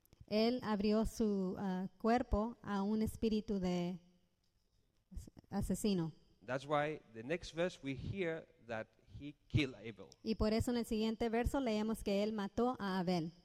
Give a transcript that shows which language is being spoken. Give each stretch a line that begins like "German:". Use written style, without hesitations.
Spanish: Él abrió su cuerpo a un espíritu de asesino.
English: That's why the next verse we hear that he killed Abel.
Spanish: Y por eso en el siguiente verso leemos que él mató a Abel.